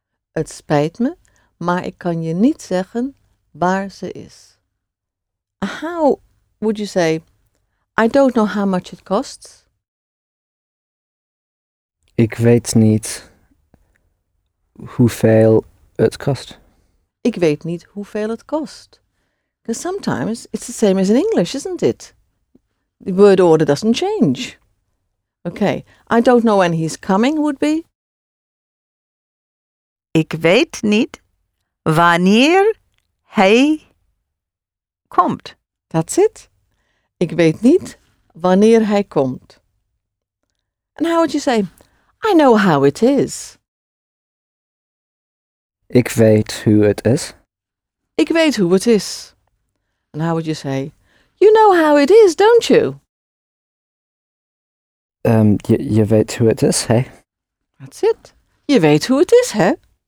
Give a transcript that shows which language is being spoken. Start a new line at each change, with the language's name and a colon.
Dutch: Het spijt me, maar ik kan je niet zeggen waar ze is.
English: How would you say, I don't know how much it costs?
Dutch: Ik weet niet hoeveel het kost. Ik weet niet hoeveel het kost.
English: Because sometimes it's the same as in English, isn't it? The word order doesn't change. Okay, I don't know when he's coming would be.
Dutch: Ik weet niet wanneer hij komt.
English: That's it.
Dutch: Ik weet niet wanneer hij komt.
English: And how would you say, I know how it is?
Dutch: Ik weet hoe het is. Ik weet hoe het is.
English: And how would you say, you know how it is, don't you?
Dutch: Je weet hoe het is, hè?
English: That's it.
Dutch: Je weet hoe het is, hè?